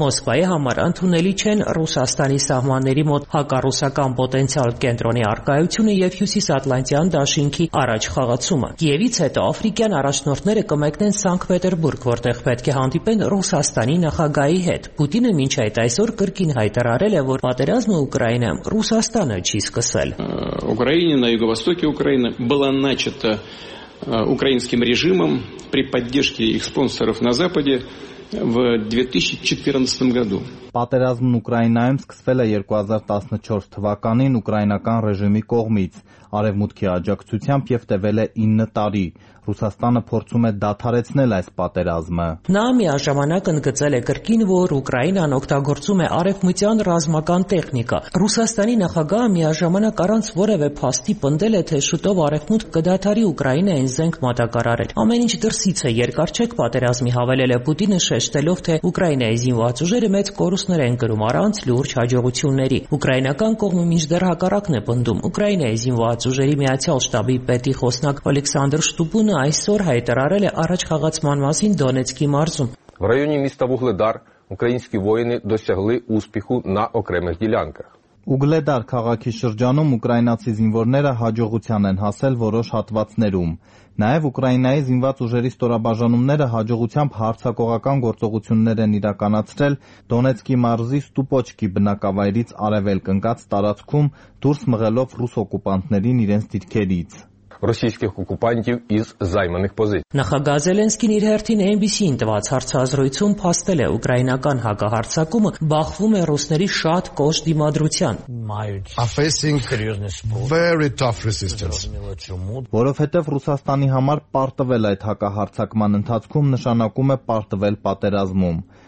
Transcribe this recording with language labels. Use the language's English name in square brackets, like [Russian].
[Armenian] Մոսկվայի համար ընդունելի չեն Ռուսաստանի սահմանը ների մոտ հակառուսական պոտենցիալ կենտրոնի արկայությունը եւ հյուսիսատլանտյան դաշինքի առաջ խաղացումը։ Կիևից հետո աֆրիկյան առաջնորդները կմեկնեն Սանկտպետերբուրգ, որտեղ պետք է հանդիպեն Ռուսաստանի նախագահի հետ։ Պուտինը մինչ այդ այսօր կրկին հայտարարել է, որ պատերազմը Ուկրաինայում Ռուսաստանը չի սկսել։ [Russian] Ուկրաինա на юго-востоке Украины была начата украинским режимом при поддержке их спонсоров на западе в 2014 году. [Armenian] Պատերազմն Ուկրաինայում սկսվել է 2014 թվականին ուկրաինական ռեժիմի կողմից, արևմուտքի աջակցությամբ եւ տևել է 9 տարի։ Ռուսաստանը փորձում է դադարեցնել այս պատերազմը։ Նա միաժամանակ ընդգծել է կրկին, որ Ուկրաինան օգտագործում է արևմտյան ռազմական տեխնիկա։ Ռուսաստանի նախագահը միաժամանակ առանց որևէ փաստի պնդել է, թե շուտով արևմուտք կդադարի Ուկրաինային զենք մատակարարել։ Ամեն ինչ դրսից է, երկար չեք պատերազմի, հավելել է Պուտինը, շեշտելով, թե Ուկրաինայի զինված ուժերը մեծ կորուստներ են գրում առանց լուրջ հաջողությունների։ Ուկրաինական կողմը մինչդեռ հակառակն է պնդում։ Ուկրաինայի զինված ուժերի միացյալ շտաբի պետի խոսնակ Ալեքսանդր Շտուբ Ունը այսօր հայտարարել է առաջ խաղացման մասին Դոնեցկի մարզում։ [Ukrainian] В районе міста Вугледар українські воїни досягли успіху на окремих ділянках. [Armenian] Ուգլեդար քաղաքի շրջանում ուկրաինացի զինվորները հաջողության են հասել որոշ հատվածներում։ Նաև Ուկրաինայի զինված ուժերի ստորաբաժանումները հաջողությամբ հարձակողական գործողություններ են իրականացրել Դոնեցկի մարզի Ստուպոչկի բնակավայրից արևելք ընկած տարածքում, դուրս մղելով ռուս օկուպանտներին իրենց դիրքերից։ [Ukrainian] Російських окупантів із займаних позицій. [Armenian] Նախագահ Զելենսկին իր հերթին NBC-ին տված հարցազրույցում փաստել է, ուկրաինական հակահարցակումը բախվում է ռուսների շատ կոշտ դիմադրության։ Որովհետև Ռուսաստանի համար պարտվել այդ հակահարցակման ընթացքում նշանակում է պարտվել պատերազմում։